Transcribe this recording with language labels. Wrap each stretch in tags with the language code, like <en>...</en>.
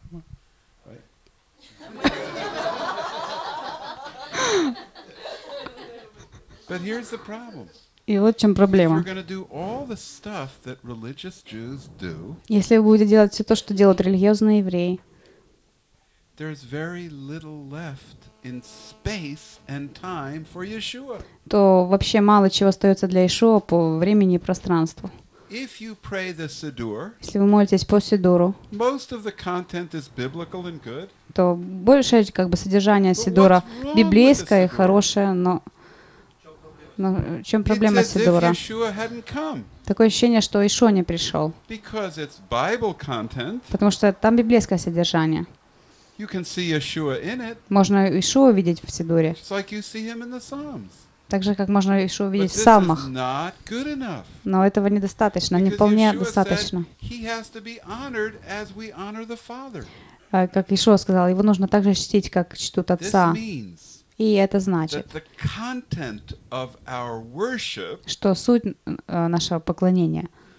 <en>Right? But here's the problem.</en> <ru>И вот в чем проблема. Если вы будете делать все то, что делают религиозные евреи,</ru> <en>there's very little left in space and time for Yeshua.</en> <ru>То вообще мало чего остается для Иешуа по времени и пространству.</ru> <en>If you pray the Siddur,</en> <ru>если вы молитесь по Сидуру,</ru> <en>most of the content is biblical and good.</en> <ru>То большее как бы содержание Сидура библейское и хорошее, но в чем проблема Сидура? Такое ощущение, что Иешуа не пришел.</ru> <en>Because it's Bible content.</en> <ru>Потому что там библейское содержание.</ru> <en>You can see Yeshua in it.</en> <ru>Можно Иешуа увидеть в Сидуре.</ru> <en>Just like you see him in the Psalms.</en> <ru>Так же, как можно Иешуа увидеть в Псалмах.</ru> <en>But this is not good enough.</en> <ru>Но этого недостаточно, не вполне достаточно.</ru> <en>Because Yeshua said, he has to be honored as we honor the Father.</en> <ru>Как Иешуа сказал, его нужно также чтить, как чтут Отца.</ru> <en>This means,</en> <ru>и это значит,</ru> <en>that the content of our worship,</en> <ru>что суть нашего поклонения,</ru>